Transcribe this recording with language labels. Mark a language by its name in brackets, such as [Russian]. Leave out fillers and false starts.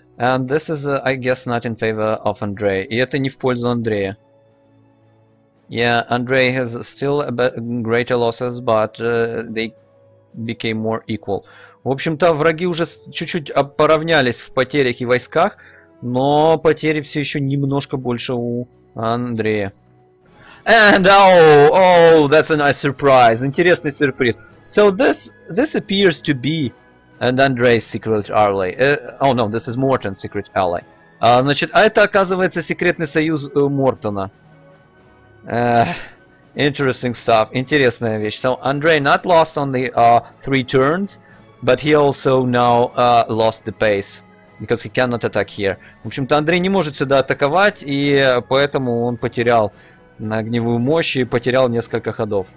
[English] And this is, I guess, not in favor of Andrei. [Russian] И это не в пользу Андрея. [English] Yeah, Andrei has still a bit greater losses, but they became more equal. [Russian] В общем-то, враги уже чуть-чуть поравнялись в потерях и войсках, но потери все еще немножко больше у Андрея. [English] And oh, that's a nice surprise. [Russian] Интересный сюрприз. [English] So this appears to be Andrei's secret ally. Oh no, this is Morton's secret ally. [Russian] Значит, а это оказывается секретный союз Мортона. [English] Interesting stuff. [Russian] Интересная вещь. [English] So Andrei not lost on the 3 turns, but he also now lost the pace because he cannot attack here. [Russian] В общем-то, Андрей не может сюда атаковать, и поэтому он потерял огневую мощь и потерял несколько ходов.